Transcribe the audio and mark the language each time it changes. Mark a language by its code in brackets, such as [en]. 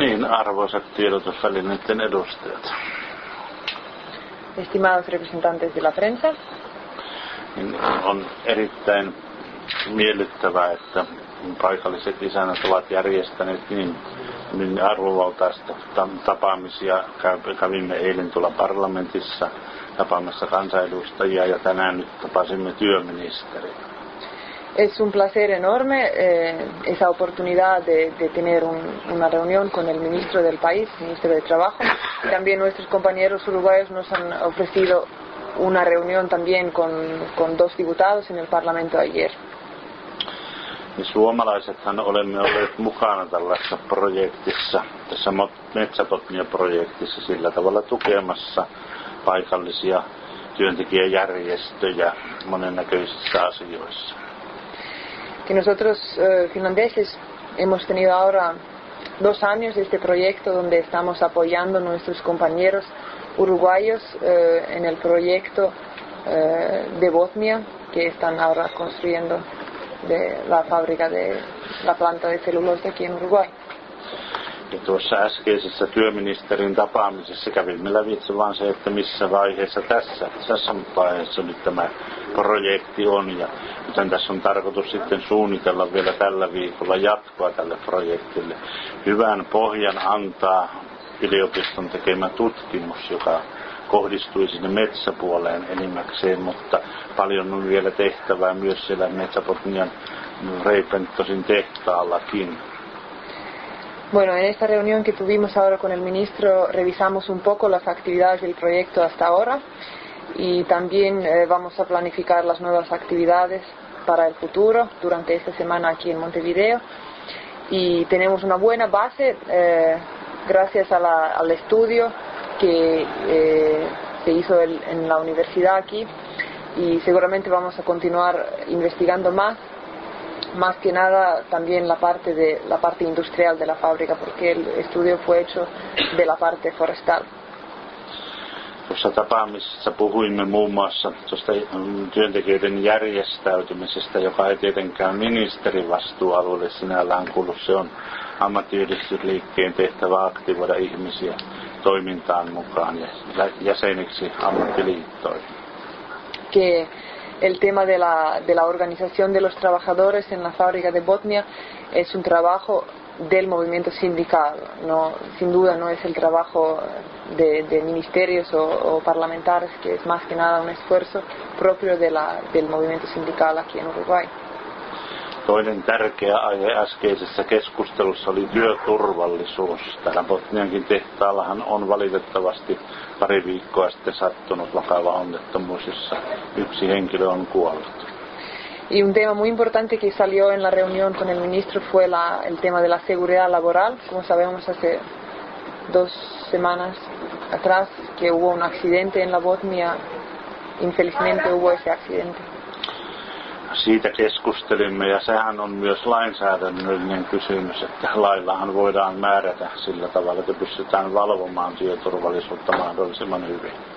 [fi] Niin, arvoisat tiedotusvälineiden edustajat. [es] Estimados representantes de la prensa. [fi] On erittäin miellyttävää, että paikalliset isännät ovat järjestäneet niin arvovaltaista tapaamisia. Kävimme eilen tuolla parlamentissa tapaamassa kansanedustajia ja tänään nyt tapasimme työministeriä. [es] Es un placer enorme esa oportunidad de tener una reunión con el ministro del país, ministro de trabajo. También nuestros compañeros uruguayos nos han ofrecido una reunión también con dos diputados en el parlamento ayer. [fi] Me suomalaisethan olemme olleet mukana tällaisessa projektissa, tässä metsäbotnia-projektissa sillä tavalla tukemassa paikallisia työntekijäjärjestöjä monennäköisissä asioissa. [es] Que nosotros finlandeses hemos tenido ahora dos años de este proyecto donde estamos apoyando a nuestros compañeros uruguayos en el proyecto de Botnia que están ahora construyendo de la fábrica de la planta de celulosa aquí en Uruguay. [fi] Ja tuossa äskeisessä työministerin tapaamisessa kävimme lävitse vaan se, että missä vaiheessa tässä vaiheessa nyt tämä projekti on. Ja joten tässä on tarkoitus sitten suunnitella vielä tällä viikolla jatkoa tälle projektille. Hyvän pohjan antaa yliopiston tekemä tutkimus, joka kohdistui sinne metsäpuoleen enimmäkseen, mutta paljon on vielä tehtävää myös siellä Metsäbotnian Reipentosin tehtaallakin. [es] Bueno, en esta reunión que tuvimos ahora con el ministro revisamos un poco las actividades del proyecto hasta ahora y también vamos a planificar las nuevas actividades para el futuro durante esta semana aquí en Montevideo y tenemos una buena base gracias a al estudio que se hizo en la universidad aquí y seguramente vamos a continuar investigando más. Más que nada también la parte industrial de la fábrica, porque el estudio fue hecho de la parte forestal. [fi] Tuossa tapaamisessa puhuimme muun muassa tuosta työntekijöiden järjestäytymisestä, joka ei tietenkään ministerin vastuualueelle sinällään kuulu. Se on ammattiyhdistysliikkeen tehtävä aktivoida ihmisiä toimintaan mukaan ja jäseniksi ammattiliittoihin. [es] El tema de la organización de los trabajadores en la fábrica de Botnia es un trabajo del movimiento sindical, no, sin duda no es el trabajo de ministerios o parlamentares, que es más que nada un esfuerzo propio del movimiento sindical aquí en Uruguay. [fi] Toinen tärkeä aihe äskeisessä keskustelussa oli työturvallisuus. Täällä Botniankin tehtaallahan on valitettavasti pari viikkoa sitten sattunut vakava onnettomuus, jossa yksi henkilö on kuollut. [es] Y un tema muy importante que salió en la reunión con el ministro fue el tema de la seguridad laboral. Como sabemos, hace dos semanas atrás que hubo un accidente en la Botnia. Infelizmente hubo ese accidente. [fi] Siitä keskustelimme ja sehän on myös lainsäädännöllinen kysymys, että laillahan voidaan määrätä sillä tavalla, että pystytään valvomaan työturvallisuutta mahdollisimman hyvin.